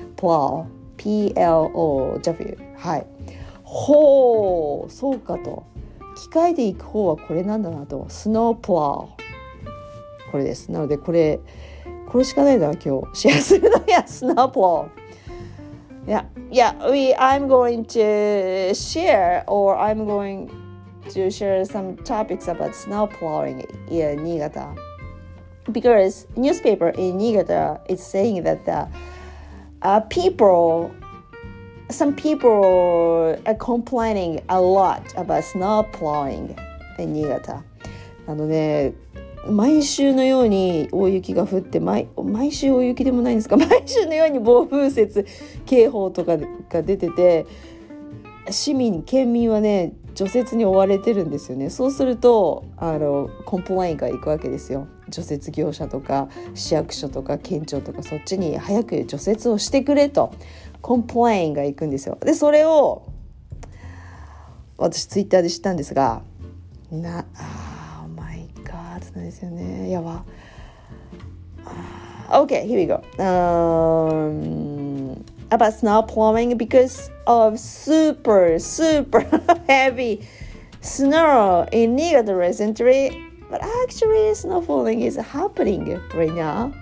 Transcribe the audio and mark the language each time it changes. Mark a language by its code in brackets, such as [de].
[ja] プロー、P-L-O-W、はい。ほう、そうかと。機械で行く方はこれなんだなと。スノープロー。これです。なので、これしかないな、今日。シェアするのや、スノープロー。 [en] I'm going to share, or I'm going to share some topics about snow plowing in 新潟。 Because newspaper in Niigata is saying that some people are complaining a lot about snow plowing in Niigata. [ja] なので、毎週のように大雪が降って、毎週大雪でもないんですか、毎週のように暴風雪警報とかが出てて、市民県民はね除雪に追われてるんですよね。そうするとコンプラインが行くわけですよ。除雪業者とか市役所とか県庁とか、そっちに早く除雪をしてくれとコンプラインが行くんですよ。でそれを私ツイッターで知ったんですが、なあーマイガーってなんですよね、やば。 [en] OK here we go、about snow plowing because of super super heavy snow in Niigata recently, but actually snow falling is happening right now.